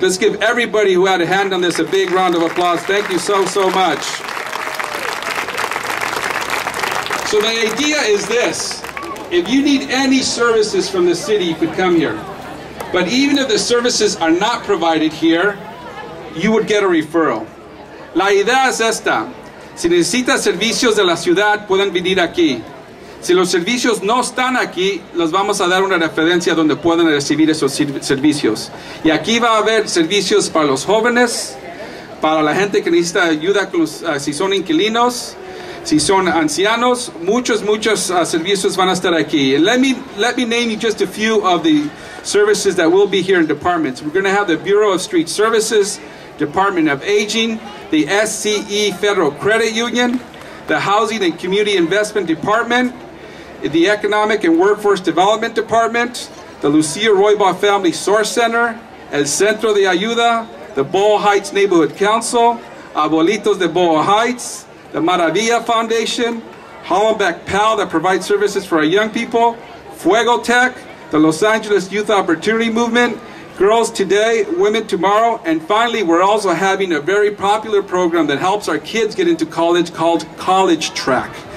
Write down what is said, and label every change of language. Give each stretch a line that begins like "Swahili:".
English: Let's give everybody who had a hand on this a big round of applause. Thank you so, so much. So the idea is this: if you need any services from the city, you could come here. But even if the services are not provided here, you would get a referral.
Spanish: La idea es esta: si necesitas servicios de la ciudad, pueden venir aquí. Si los servicios no están aquí, les vamos a dar una referencia donde pueden recibir esos servicios. Y aquí va a haber servicios para los jóvenes, para la gente que necesita ayuda si son inquilinos, si son ancianos, muchos servicios van a estar aquí.
English: And let me name you just a few of the services that will be here in departments. We're going to have the Bureau of Street Services, Department of Aging, the SCE Federal Credit Union, the Housing and Community Investment Department, the Economic and Workforce Development Department, the Lucia Roybal Family Source Center, El Centro de Ayuda, the Boyle Heights Neighborhood Council, Abuelitos de Boyle Heights, the Maravilla Foundation, Hollenbeck PAL that provides services for our young people, Fuego Tech, the Los Angeles Youth Opportunity Movement, Girls Today, Women Tomorrow, and finally, we're also having a very popular program that helps our kids get into college called College Track.